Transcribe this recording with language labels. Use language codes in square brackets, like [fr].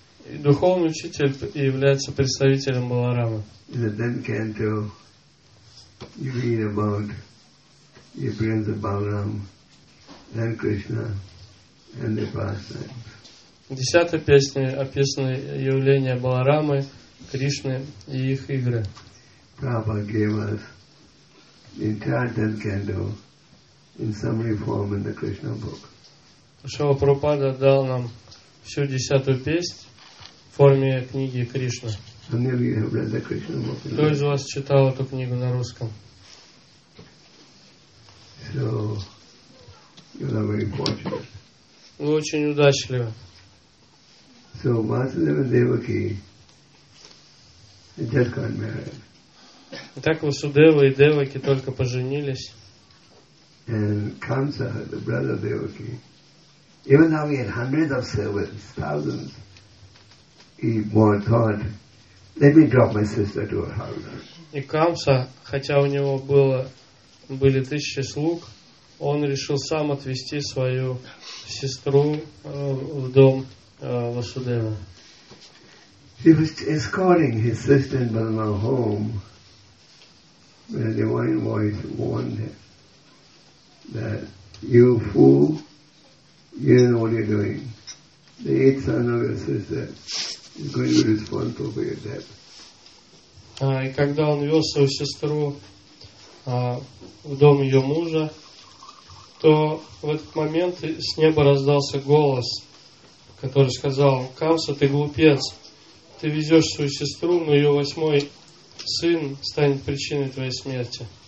[ru] И духовный учитель является представителем Баларамы. [en] In the 10th canto, you read about the appearance of Balaram and Krishna and their pastimes. [ru] В 10-й песне описано явление Баларамы, Кришны и их игры. [en] Prabhupada gave us the entire 10th canto in summary form in the Krishna book. [ru] Шрила Прабхупада дал нам всю десятую песнь в форме книги Кришна. [en] Many of you have read the Krishna book. [ru] Кто из вас читал эту книгу на русском? [en] So, you are very fortunate. [ru] Вы очень удачливы. [en] So, Vasudeva Devaki just got married. [ru] Итак, Васудева и Деваки только поженились. [en] Kamsa, the brother Devaki, even though he had hundreds of servants, thousands, he thought, let me drop my sister to her house. [ru] И Камса, хотя у него были тысячи слуг, он решил сам отвезти свою сестру в дом Васудевы. [en] He was escorting his sister and brother home when the divine voice warned him that, you fool, you don't know what you're doing. The eighth son of your sister is going to be responsible for your death. [ru] И когда он вез свою сестру в дом ее мужа, то в этот момент с неба раздался голос, который сказал: Камса, ты глупец, ты везешь свою сестру, но ее восьмой сын станет причиной твоей смерти.